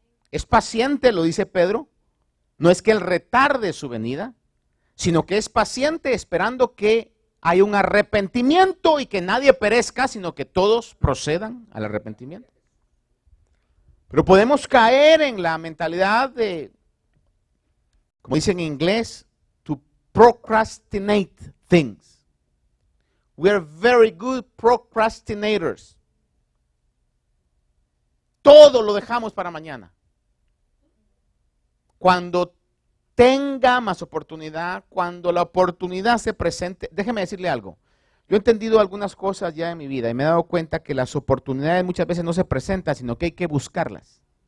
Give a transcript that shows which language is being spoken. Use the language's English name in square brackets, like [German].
[Spanish] Es paciente, lo dice Pedro. No es que Él retarde su venida, sino que es paciente esperando que haya un arrepentimiento y que nadie perezca, sino que todos procedan al arrepentimiento. Pero podemos caer en la mentalidad de, como dicen en inglés, [English] to procrastinate things. We are very good procrastinators. [Spanish] Todo lo dejamos para mañana. Cuando tenga más oportunidad, cuando la oportunidad se presente, déjeme decirle algo. Yo he entendido algunas cosas ya en mi vida y me he dado cuenta que las oportunidades muchas veces no se presentan, sino que hay que buscarlas.